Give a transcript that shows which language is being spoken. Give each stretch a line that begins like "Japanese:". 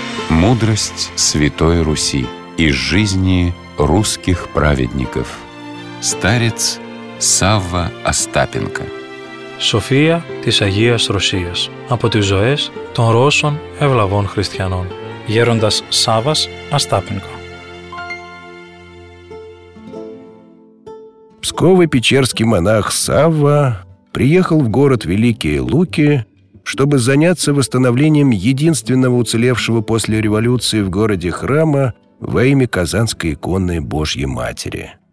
Russian: Мудрость Святой Руси из жизни русских праведников. Старец Савва Остапенко.
Greek: Σοφία της Αγίας Ρωσίας από τις ζωές των Ρώσων ευλαβών χριστιανών. Γέροντας Σάββας Αστάπινκο.
Russian: Псково-печерский монах Савва приехал в город Великие Луки, чтобы заняться восстановлением единственного уцелевшего после революции в городе храма во имя Казанской иконы Божьей Матери.